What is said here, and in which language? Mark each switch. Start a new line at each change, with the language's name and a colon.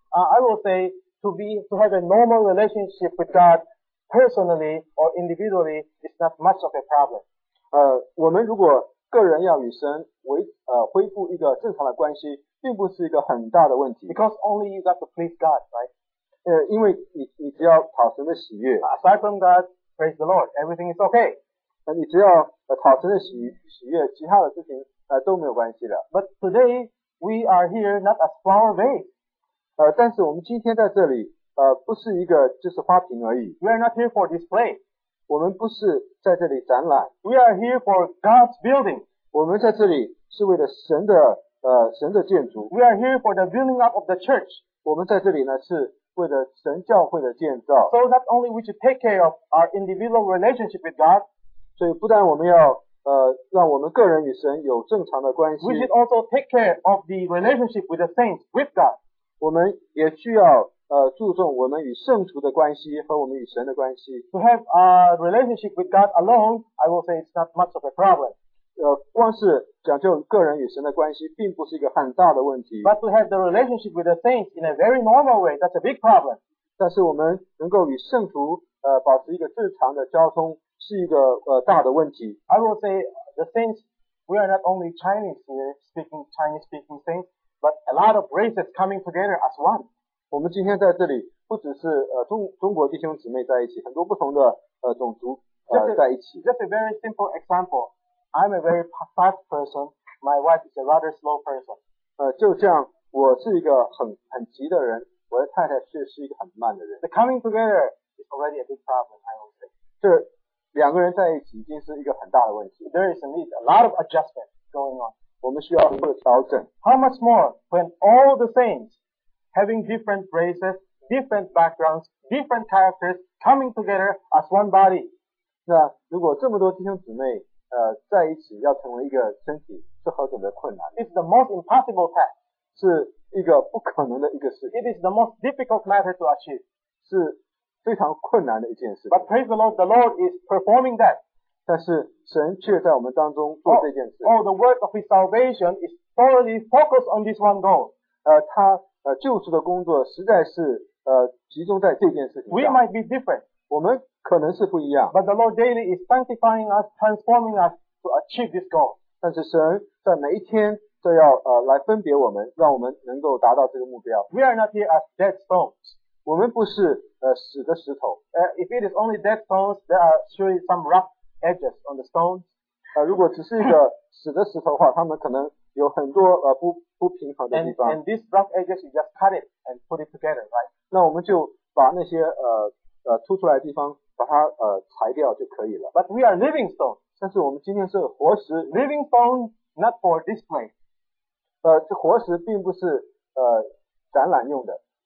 English: I will say to have a normal relationship with God personally or individually is not much of a problem.
Chinese: 我们如果个人要与神恢复一个正常的关系并不是一个很大的问题。
English: Because only you got to please God, right?
Chinese: 因为你只要讨神的喜悦。
English: Aside from God, praise the Lord, everything is okay.
Chinese: 你只要讨神的喜悦，其他的事情都没有关系的。
English: But today we are here not as flower vase.
Chinese: 但是我们今天在这里不是一个就是花瓶而已。
English: We are not here for display.
Chinese: 我们不是在这里展览。
English: We are here for God's building.
Chinese: 我们在这里是为了神的神的建筑。
English: We are here for the building up of the church.
Chinese: 我们在这里呢是为了神教会的建造。
English: So not only we should take care of our individual relationship with God.
Chinese: 所以不但我们要让我们个人与神有正常的关系。
English: We should also take care of the relationship with the saints with God.
Chinese: 我们也需要注重我们与圣徒的关系和我们与神的关系。
English: To have a relationship with God alone, I will say it's not much of a problem.
Chinese: 光是讲究个人与神的关系并不是一个很大的问题。
English: But to have the relationship with the saints in a very normal way, that's a big problem.
Chinese: 但是我们能够与圣徒保持一个正常的交通是一个大的问题。
English: I will say the saints, we are not only Chinese here, speaking Chinese speaking saints, but a lot of races coming together as one.
Chinese: 我们今天在这里不只是中国弟兄姊妹在一起，很多不同的种族在一起。
English: Just a very simple example. I'm a very fast person. My wife is a rather slow person.
Chinese: 就像我是一个很急的人，我的太太却是一个很慢的人。
English: The coming together is already a big problem, I would say.
Chinese: 这两个人在一起已经是一个很大的问题。
English: There is indeed a lot of adjustment going on.
Chinese: 我们需要做调整。
English: How much more when all the saints? Having different races, different backgrounds, different characters coming together as one body.
Chinese: 那如果这么多弟兄姊妹在一起要成为一个身体是何等的困难。
English: It's the most impossible task.
Chinese: 是一个不可能的一个事。
English: It is the most difficult matter to achieve.
Chinese: 是非常困难的一件事。
English: But praise the Lord is performing that.
Chinese: 但是神却在我们当中做这件事。
English: The work of his salvation is thoroughly focused on this one goal.
Chinese: 他救赎的工作实在是集中在这件事情上。
English: We might be different.
Chinese: 我们可能是不一样。
English: But the Lord daily is sanctifying us, transforming us to achieve this goal.
Chinese: 但是神在每一天都要来分别我们，让我们能够达到这个目标。
English: We are not here as dead stones.
Chinese: 我们不是死的石头。
English: If it is only dead stones, there are surely some rough edges on the stones.
Chinese: 如果只是一个死的石头的话，他们可能有很多不平衡的地方。
English: And these rough edges, you just cut it and put it together, right?
Chinese: 那我们就把那些凸出来的地方把它裁掉就可以了。
English: But we are living stone.
Chinese: 但是我们今天是活石。
English: Living stone, not for display.
Chinese: 这活石并不是展览用的。